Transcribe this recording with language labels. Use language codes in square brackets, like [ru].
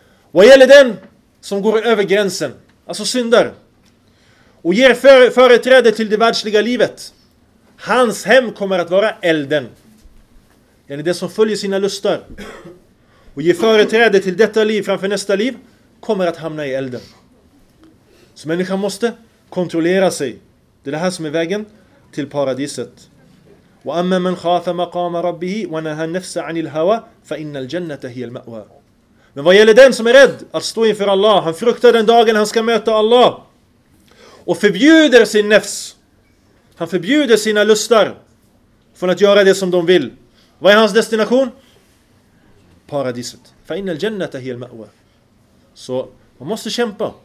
[sv] Vad gäller den som går över gränsen, alltså syndar, och ger företräde till det världsliga livet, hans hem kommer att vara elden. Det är den som följer sina lustar och ger företräde till detta liv framför nästa liv, kommer att hamna i elden. Så människan måste kontrollera sig. Det är det här som är vägen till paradiset. [ar] وأما من خاف مقام ربه ونهى النفس عن الهوى فإن الجنة هي المأوى. [sv] Men vad gäller den som är rädd att stå inför Allah, han fruktar den dagen han ska möta Allah och förbjuder sin nefs, han förbjuder sina lustar från att göra det som de vill. Vad är hans destination? Paradiset. فَإِنَّ الْجَنَّةَ هِيَ الْمَأْوَى. Så man måste kämpa.